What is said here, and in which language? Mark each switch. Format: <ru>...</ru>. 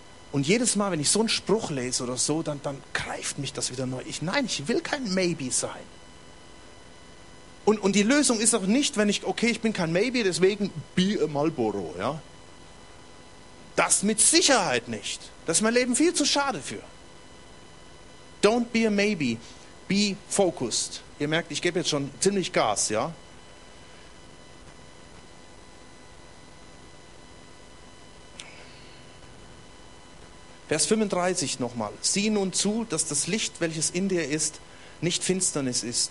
<de>Und jedes Mal, wenn ich so einen Spruch lese oder so, dann greift mich das wieder neu. Ich will kein Maybe sein. Und die Lösung ist auch nicht, wenn ich, okay, ich bin kein Maybe, deswegen</de> <en>be a Marlboro,</en> <de>ja. Das mit Sicherheit nicht. Das ist mein Leben viel zu schade für.</de> <en>Don't be a maybe, be focused.</en> <de>Ihr merkt, ich gebe jetzt schon ziemlich Gas, ja. Vers 35 nochmal. Sieh nun zu, dass das Licht, welches in dir ist, nicht Finsternis ist.</de>